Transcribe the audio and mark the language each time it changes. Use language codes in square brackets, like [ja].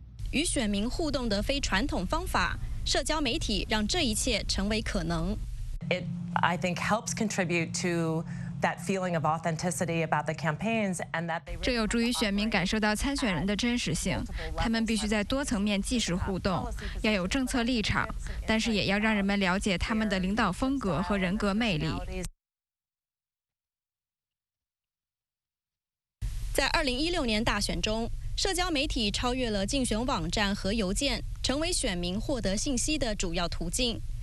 [zh] 与选民互动的非传统方法，社交媒体让这一切成为可能。 [en] It, I think, helps contribute to that feeling of authenticity about the campaigns, and that they really. [zh] 这有助于选民感受到参选人的真实性。他们必须在多层面即时互动，要有政策立场，但是也要让人们了解他们的领导风格和人格魅力。在2016年大选中，社交媒体超越了竞选网站和邮件，成为选民获得信息的主要途径。